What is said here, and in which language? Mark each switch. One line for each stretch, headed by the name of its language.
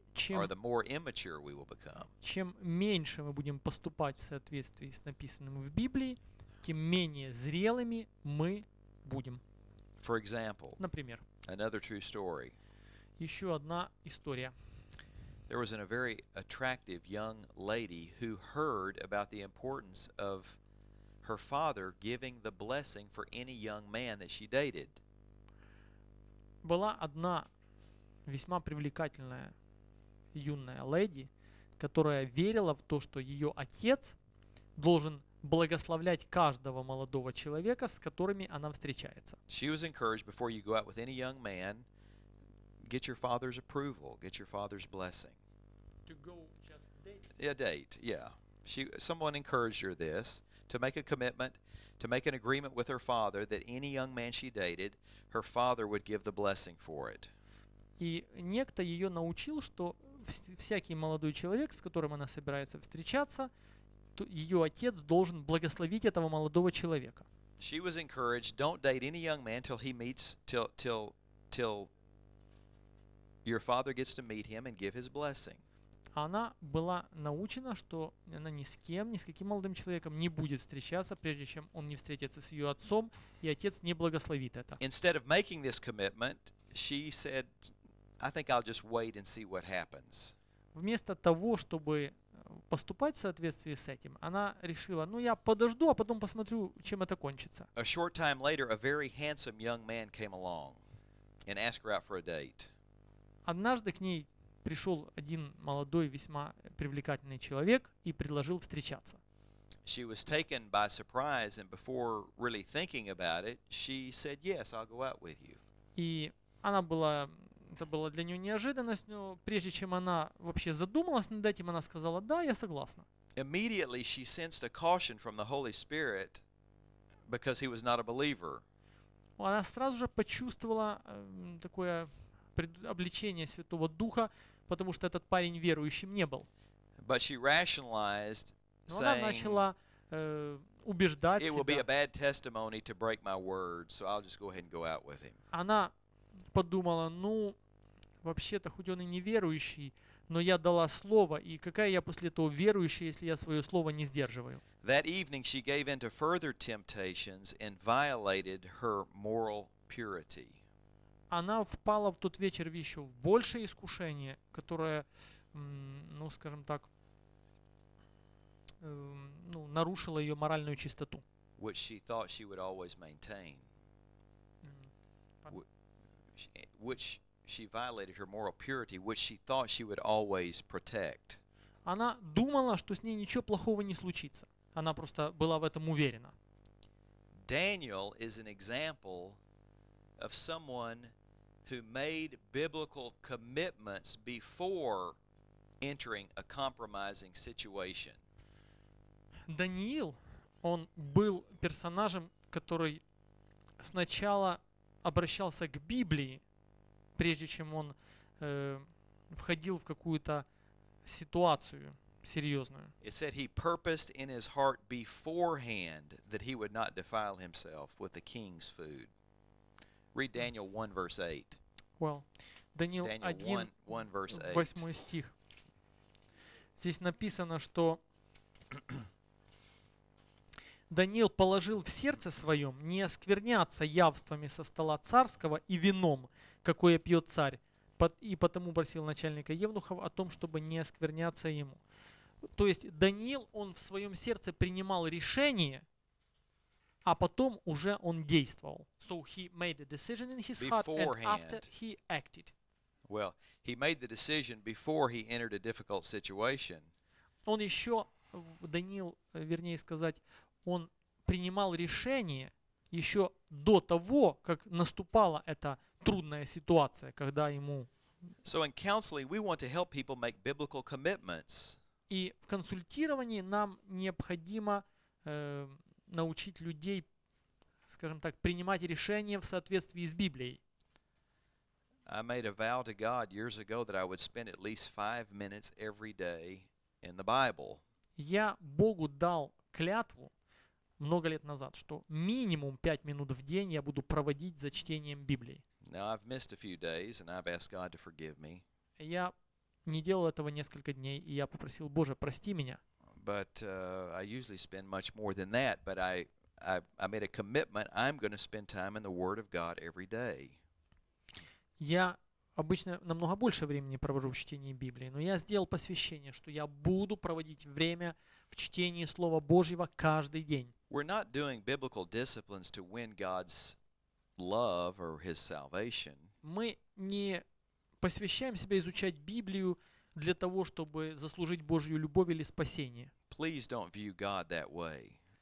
English: Or the more immature we will become.
Russian: Чем меньше мы будем поступать в соответствии с написанным в Библии, тем менее зрелыми мы будем.
English: For example,
Russian: например,
English: another true story.
Russian: Еще одна история.
English: There was a very attractive young lady who heard about the importance of her father giving the blessing for any young man that she dated.
Russian: Была одна весьма привлекательная юная леди, которая верила в то, что ее отец должен благословлять каждого молодого человека, с которыми она встречается.
English: She was encouraged, before you go out with any young man, get your father's approval, get your father's blessing. To go just date. Yeah, date, yeah. Someone encouraged her this, to make a commitment, to make an agreement with her father that any young man she dated, her father would give the blessing for it.
Russian: И некто ее научил, что всякий молодой человек, с которым она собирается встречаться, ее отец должен благословить этого молодого человека.
English: She was encouraged, don't date any young man till he meets, till your father gets to meet him and give his blessing.
Russian: Она была научена, что она ни с кем, ни с каким молодым человеком не будет встречаться, прежде чем он не встретится с ее отцом, и отец не благословит это.
English: Instead of making this commitment, she said, I think I'll just wait and see what happens.
Russian: Вместо того, чтобы поступать в соответствии с этим, она решила, ну я подожду, а потом посмотрю, чем это кончится.
English: A short time later, a very handsome young man came along and asked her out for a date.
Russian: Однажды к ней пришел один молодой, весьма привлекательный человек и предложил встречаться.
English: She was taken by surprise, and before really thinking about it, she said, yes, I'll go out with you.
Russian: И она была, это было для нее неожиданность, но прежде чем она вообще задумалась над этим, она сказала, да, я согласна.
English: Immediately she sensed a caution from the Holy Spirit, because he was not a believer.
Russian: Она сразу же почувствовала такое обличение Святого Духа, потому что этот парень верующим не был.
English: But she rationalized, saying,
Russian: но она начала убеждать
English: it
Russian: себя.
English: It will be a bad testimony to break my word, so I'll just go ahead and go out with him.
Russian: Она подумала, ну, вообще-то, хоть он и не верующий, но я дала слово, и какая я после этого верующая, если я свое слово не сдерживаю?
English: That evening she gave in to further temptations and violated her moral purity.
Russian: Она впала в тот вечер еще в большее искушение, которое, ну, скажем так, ну, нарушило ее моральную чистоту.
English: Which she thought she would always maintain. Which she violated her moral purity, which she thought she would always protect.
Russian: Она думала, что с ней ничего плохого не случится. Она просто была в этом уверена.
English: Daniel is an example of someone who made biblical commitments before entering a compromising situation.
Russian: Даниил, он был персонажем, который сначала обращался к Библии, прежде чем он входил в какую-то ситуацию серьезную.
English: It said he purposed in his heart beforehand that he would not defile himself with the king's food. Read Daniel 1 verse 8. Well, Daniel 1 verse 8.
Russian: 8 стих. Здесь написано, что Даниил положил в сердце своем не оскверняться явствами со стола царского и вином, какое пьет царь, и потому просил начальника евнухов о том, чтобы не оскверняться ему. То есть Даниил, он в своем сердце принимал решение, а потом уже он действовал.
English: So he made a decision in his heart beforehand, and after he acted. Well, he made the decision before he entered a difficult situation.
Russian: Он еще, Даниил, вернее сказать, он принимал решение еще до того, как наступала эта трудная ситуация, когда ему.
English: So in counseling we want to help people make biblical commitments.
Russian: И в консультировании нам необходимо научить людей, скажем так, принимать решения в соответствии с Библией.
English: I made a vow to God years ago that I would spend at least 5 minutes every day in the Bible.
Russian: Я Богу дал клятву много лет назад, что минимум 5 минут в день я буду проводить за чтением Библии.
English: Now I've missed a few days and I've asked God to forgive me.
Russian: Я не делал этого несколько дней, и я попросил, Боже, прости меня.
English: But I usually spend much more than that, but I made a commitment, I'm going to spend time in the Word of God every day.
Russian: Я обычно намного больше времени провожу в чтении Библии, но я сделал посвящение, что я буду проводить время в чтении Слова Божьего каждый день.
English: We're not doing biblical disciplines to win God's love or His salvation.
Russian: Мы не посвящаем себя изучать Библию для того, чтобы заслужить Божью любовь или спасение.
English: Please don't view God that way.